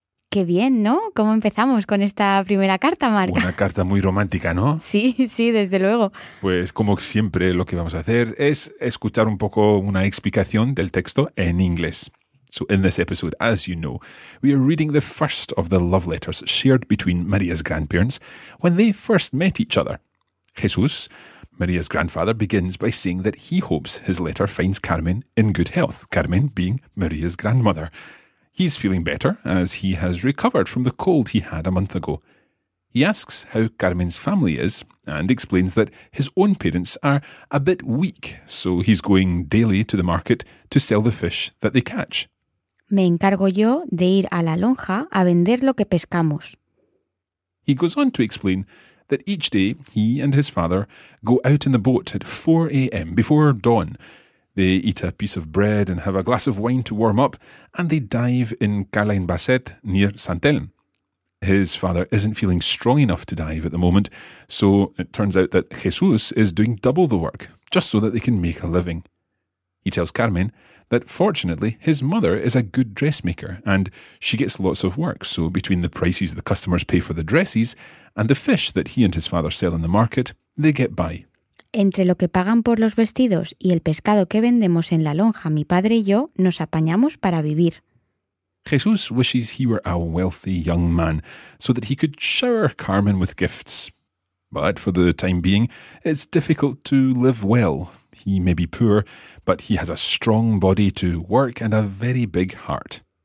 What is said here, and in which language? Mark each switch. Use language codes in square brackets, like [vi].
[es] Qué bien, ¿no? ¿Cómo empezamos con esta primera carta, Mark? Una carta muy romántica, ¿no? Sí, sí, desde luego. Pues como siempre lo que vamos a hacer es escuchar un poco una explicación del texto en inglés. [en] So in this episode, as you know, we are reading the first of the love letters shared between Maria's grandparents when they first met each other. Jesus, Maria's grandfather, begins by saying that he hopes his letter finds Carmen in good health, Carmen being Maria's grandmother. He's feeling better as he has recovered from the cold he had a month ago. He asks how Carmen's family is and explains that his own parents are a bit weak, so he's going daily to the market to sell the fish that they catch. [es] Me encargo yo de ir a la lonja a vender lo que pescamos. [en] He goes on to explain that each day he and his father go out in the boat at 4 a.m. before dawn. They eat a piece of bread and have a glass of wine to warm up, and they dive in Caline Basset near Saint-Elme. His father isn't feeling strong enough to dive at the moment, so it turns out that Jesus is doing double the work, just so that they can make a living. He tells Carmen that fortunately his mother is a good dressmaker and she gets lots of work, so between the prices the customers pay for the dresses and the fish that he and his father sell in the market, they get by. [es] Entre lo que pagan por los vestidos y el pescado que vendemos en la lonja, mi padre y yo nos apañamos para vivir. [en] Jesus wishes he were a wealthy young man so that he could shower Carmen with gifts. But for the time being, it's difficult to live well. He may be poor, but he has a strong body to work and a very big heart.